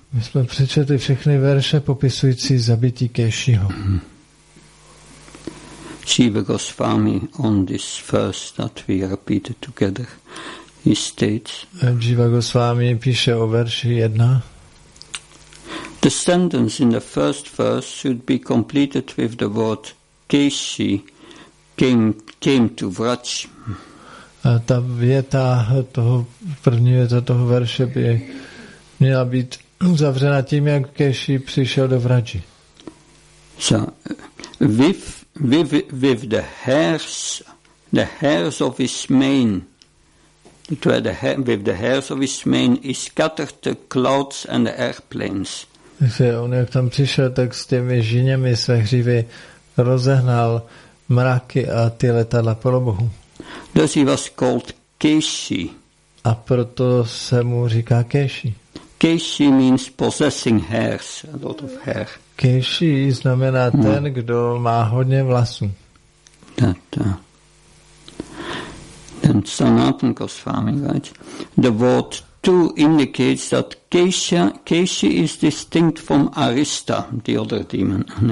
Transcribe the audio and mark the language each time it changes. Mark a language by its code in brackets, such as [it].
[cs] My jsme přečetli všechny verše popisující zabití Kešiho. [en] Shiva Goswami on this verse that we repeated together, he states, [cs] Shiva Goswami píše o verši 1. [en] The sentence in the first verse should be completed with the word Keshi came to Vraj. [cs] A ta věta toho první věta toho verše by měla být uzavřena tím, jak Keshi přišel do Vraji. [en] So, with the hairs of his mane, is scattered the clouds and the airplanes. [cs] Takže on jak tam přišel, tak s těmi žiněmi své hřívy rozehnal mraky a ty letadla polobohu. [en] Thus he was called Keshi. [cs] A proto se mu říká Keshi. [en] Keshi means possessing hairs, a lot of hair. [cs] Keshi znamená ten, kdo má hodně vlasů. [en] Then Sanatan Goswami writes, the word two indicates that Keshi is distinct from Arista, the other demon.